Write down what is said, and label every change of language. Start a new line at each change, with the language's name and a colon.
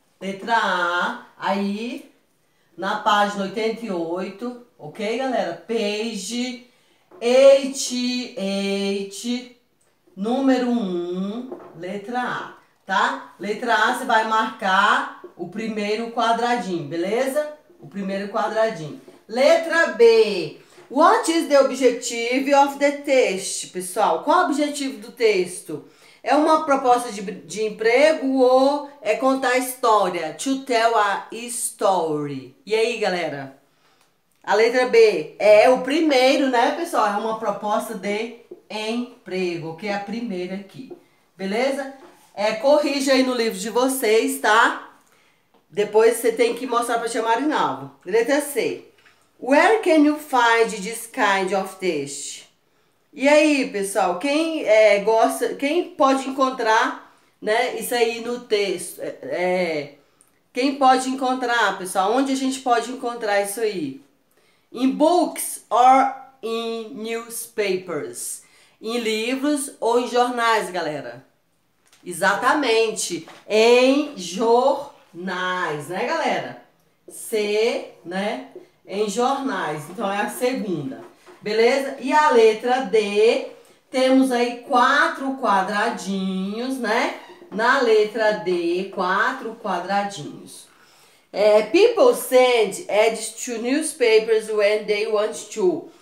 Portuguese: Letra A, aí, na página 88, ok, galera? Page 88, número 1, letra A, tá? Letra A, você vai marcar o primeiro quadradinho, beleza? O primeiro quadradinho. Letra B,
English: what is the objective of the test, pessoal?
Portuguese: Qual o objetivo do texto? É uma proposta de emprego ou é contar a história?
English: To tell a story.
Portuguese: E aí, galera? A letra B é o primeiro, né, pessoal? É uma proposta de emprego, que é a primeira aqui. Beleza? Corrija aí no livro de vocês, tá? Depois você tem que mostrar para a tia Marinalva. Letra C.
English: Where can you find this kind of test?
Portuguese: E aí, pessoal, quem gosta, quem pode encontrar, né, isso aí no texto? Quem pode encontrar, pessoal, onde a gente pode encontrar isso aí?
English: In books or in newspapers?
Portuguese: Em livros ou em jornais, galera? Exatamente, em jornais, né, galera? C, né, em jornais, então é a segunda. Beleza? E a letra D, temos aí quatro quadradinhos, né? Na letra D, quatro quadradinhos.
English: People send ads to newspapers when they want to.